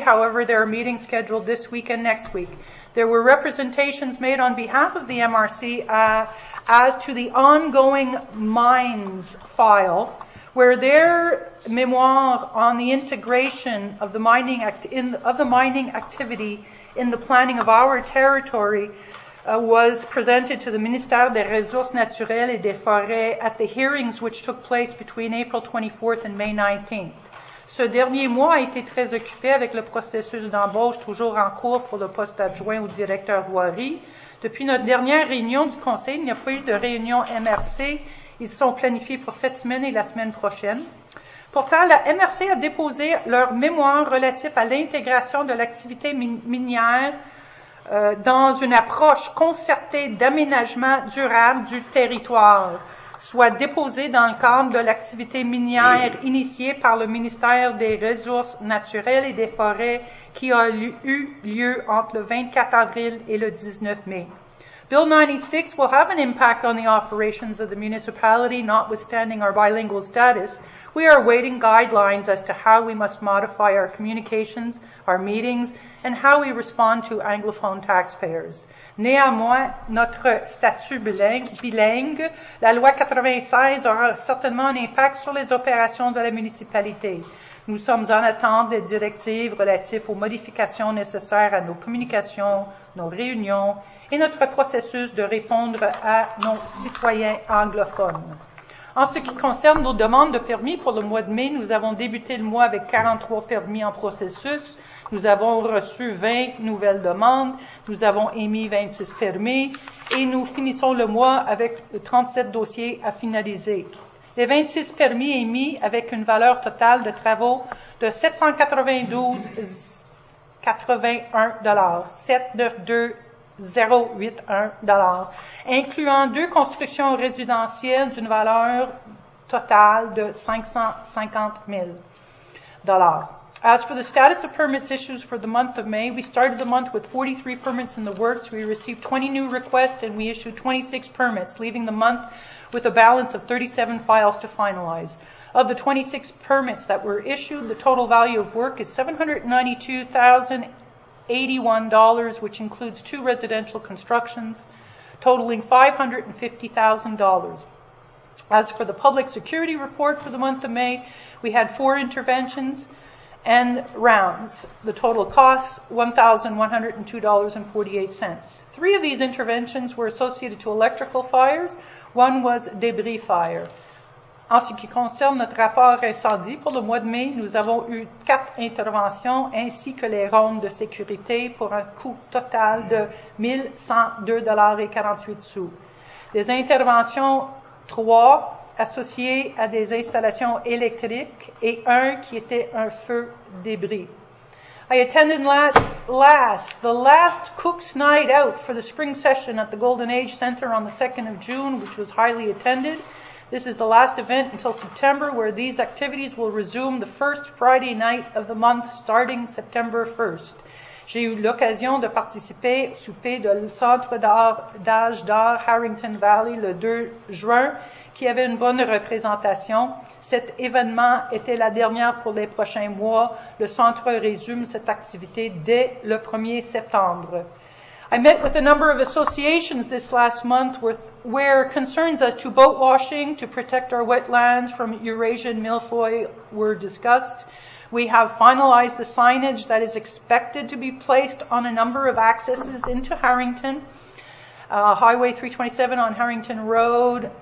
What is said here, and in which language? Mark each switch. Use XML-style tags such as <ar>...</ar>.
<en>However, there are meetings scheduled this week and next week. There were representations made on behalf of the MRC as to the ongoing mines file, where their memoir on the integration of the mining activity in the planning of our territory was presented to the Ministère des Ressources Naturelles et des Forêts at the hearings which took place between April 24th and May 19th.</en> <fr>Ce dernier mois a été très occupé avec le processus d'embauche toujours en cours pour le poste adjoint au directeur voirie. Depuis notre dernière réunion du conseil, il n'y a pas eu de réunion MRC. Ils sont planifiés pour cette semaine et la semaine prochaine. Pourtant, la MRC a déposé leur mémoire relatif à l'intégration de l'activité minière dans une approche concertée d'aménagement durable du territoire, soit déposée dans le cadre de l'activité minière initiée par le ministère des Ressources naturelles et des Forêts qui a eu lieu entre le 24 avril et le 19 mai.</fr> <en>Bill 96 will have an impact on the operations of the municipality, notwithstanding our bilingual status. We are awaiting guidelines as to how we must modify our communications, our meetings, and how we respond to anglophone taxpayers.</en> <fr>Néanmoins, notre statut bilingue, la loi 96 aura certainement un impact sur les opérations de la municipalité. Nous sommes en attente des directives relatives aux modifications nécessaires à nos communications, nos réunions et notre processus de répondre à nos citoyens anglophones. En ce qui concerne nos demandes de permis pour le mois de mai, nous avons débuté le mois avec 43 permis en processus. Nous avons reçu 20 nouvelles demandes, nous avons émis 26 permis et nous finissons le mois avec 37 dossiers à finaliser. Les 26 permis émis avec une valeur totale de travaux de 792,81 $, incluant deux constructions résidentielles d'une valeur totale de 550 000 $.</fr> <en>As for the status of permits issues for the month of May, we started the month with 43 permits in the works. We received 20 new requests, and we issued 26 permits, leaving the month with a balance of 37 files to finalize. Of the 26 permits that were issued, the total value of work is $792,081, which includes two residential constructions, totaling $550,000. As for the public security report for the month of May, we had four interventions and rounds. The total costs, $1,102.48. Three of these interventions were associated to electrical fires. One was débris fire.</en> <fr>En ce qui concerne notre rapport incendie pour le mois de mai, nous avons eu quatre interventions ainsi que les rondes de sécurité pour un coût total de $1,102.48. Les interventions 3 associées à des installations électriques et 1 qui était un feu débris.</fr> <en>I attended the last Cook's Night Out for the spring session at the Golden Age Center on the 2nd of June, which was highly attended. This is the last event until September, where these activities will resume the first Friday night of the month, starting September 1st.</en> <fr>J'ai eu l'occasion de participer au souper du Centre d'âge d'art Harrington Valley le 2 juin, qui avait une bonne représentation. Cet événement était la dernière pour les prochains mois. Le Centre résume cette activité dès le 1er septembre.</fr> <en>I met with a number of associations this last month where concerns as to boat washing to protect our wetlands from Eurasian milfoil were discussed. We have finalized the signage that is expected to be placed on a number of accesses into Harrington, Highway 327 on Harrington Road.</en>